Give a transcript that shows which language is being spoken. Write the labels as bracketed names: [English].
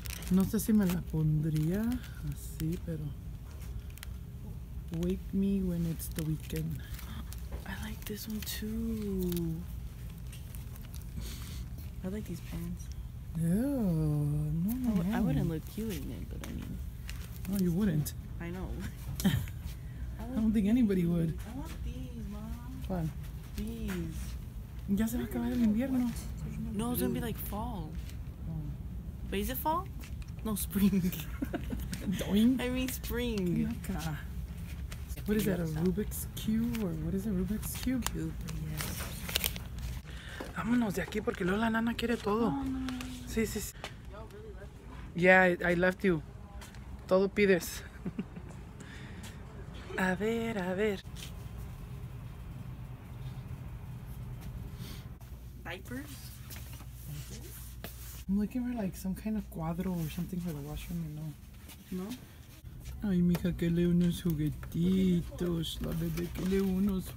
[Spanish] No sé si me la pondría así, pero... [English] Wake me when it's the weekend. I like this one too. I like these pants. Yeah, no, no. I wouldn't look cute in it, but I mean... No, you wouldn't. I know. I don't think anybody would. I want these, Mom. What? These. [Spanish] Ya se va a acabar el invierno. [English] No, it's gonna be like fall. Oh. Wait, is it fall? No, spring. Doing? I mean spring. What is that, a Rubik's Cube? Or what is a Rubik's Cube? Cube, yes. [Spanish] Vámonos de aquí porque luego la nana quiere todo. [English] Oh, no. [Spanish] Sí, sí, sí. [English] Y'all really left me? Yeah, I left you. [Spanish] Todo pides. A ver, a ver. [English] Diapers? I'm looking for like some kind of cuadro or something for the washroom, you know. No? [Spanish] Ay, mija, que le unos juguetitos. La bebé, que le unos juguetitos.